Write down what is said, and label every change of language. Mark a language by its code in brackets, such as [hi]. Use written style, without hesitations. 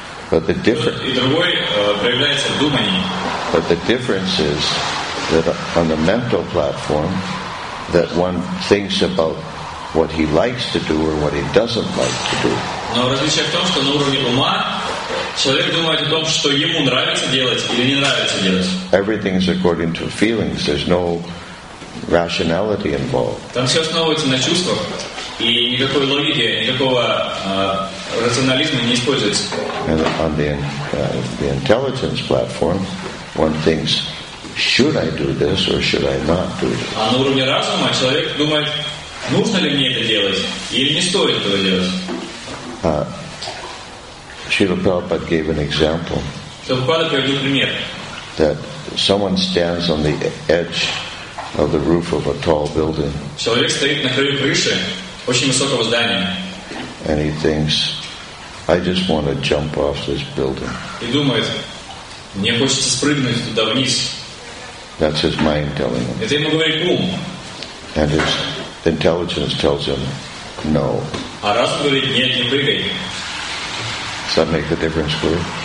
[en] But the difference. [ru] И другой проявляется в думании. [en] But the difference is that on the mental platform, that one thinks about what he likes to do or what he doesn't like to do. [ru] Но различие в том, что на уровне ума человек думает о том, что ему нравится делать или не нравится делать. [en] Everything is according to feelings. There's no rationality involved. [ru] Там все основывается на чувствах, и никакой логики, никакого рационализма не используется. [en] And on the intelligence platform, one thinks, should I do this or should I not do this? [ru] А на уровне разума человек думает, нужно ли мне это делать или не стоит этого делать? [en] Srila Prabhupada gave an example. [ru] Prabhupada приводит пример. [en] That someone stands on the edge of the roof of a tall building. [ru] Человек стоит на краю крыши очень высокого здания. [en] And he thinks, I just want to jump off this building. [ru] И думает, мне хочется спрыгнуть туда вниз. [en] That's his mind telling him. [ru] Это ему говорит ум. [en] And his intelligence tells him no. [ru] А разум говорит, нет, не прыгай. [en] Does that make the difference clear?